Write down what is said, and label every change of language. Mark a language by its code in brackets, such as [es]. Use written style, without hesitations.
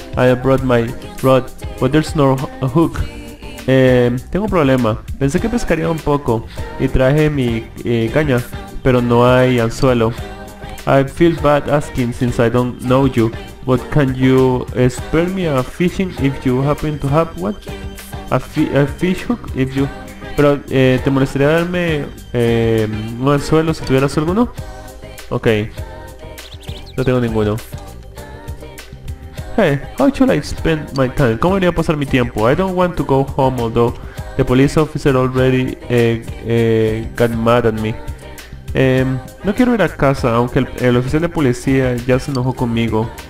[en] I brought my rod, but there's no hook. [es] Tengo un problema. Pensé que pescaría un poco y traje mi caña, pero no hay anzuelo. [en] I feel bad asking since I don't know you, but can you spare me a fishing if you happen to have what? A fish hook if you... [es] Pero, ¿te molestaría darme un anzuelo si tuvieras alguno? [en] Ok. [es] No tengo ninguno. [en] Hey, how should I spend my time? [es] ¿Cómo iría a pasar mi tiempo? [en] I don't want to go home, although the police officer already got mad at me. [es] No quiero ir a casa, aunque el oficial de policía ya se enojó conmigo.